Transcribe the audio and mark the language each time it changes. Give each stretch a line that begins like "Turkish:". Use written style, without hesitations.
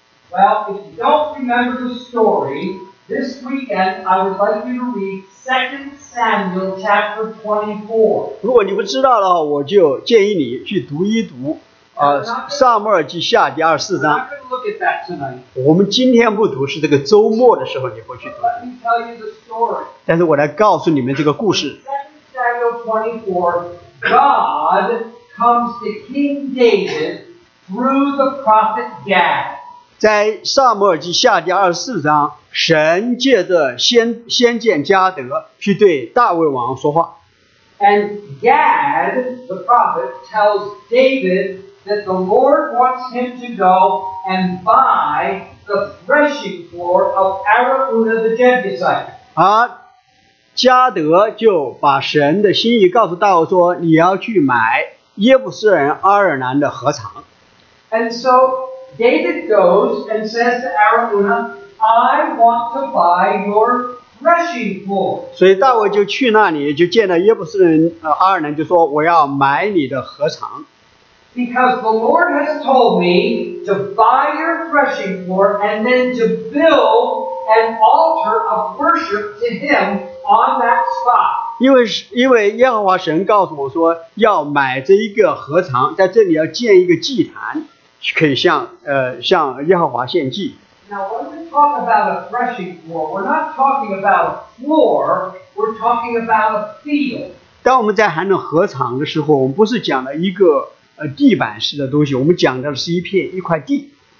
English: Well, if you don't remember the story, this weekend I would like you to read 2 Samuel chapter 24.
Chinese: 如果你不知道的话，我就建议你去读一读，撒母耳记下第24章。
English: I'm not going to look at that tonight.
Chinese: 我们今天不读，是这个周末的时候你会去读。
English: Let me tell you the story.
Chinese: 但是我来告诉你们这个故事。
English: 2 Samuel 24, God comes to King David through the prophet Gad.
Chinese: 在撒母耳记下第二十四章，神借着先见加德去对大卫王说话。
English: And Gad the prophet tells David that the Lord wants him to go and buy the threshing floor of Arauna the Jebusite.
Chinese: 加德就把神的心意告诉大卫说，你要去买耶布斯人阿尔南的禾场。
English: And so. David goes and says to Arauna, I want to buy your threshing floor.
Chinese: 所以大卫就去那里，就见了耶布斯人阿尔南，就说我要买你的禾场。
English: Because the Lord has told me to buy your threshing floor and then to build an altar of worship to him on that spot.
Chinese: 因为耶和华神告诉我说，要买这一个禾场，在这里要建一个祭坛。可以向耶和华献祭。
English: Now when we talk about a threshing floor, we're not talking about a floor, we're talking about a field.
Chinese: 当我们在谈论禾场的时候，我们不是讲了一个地板式的东西，我们讲的是一块地。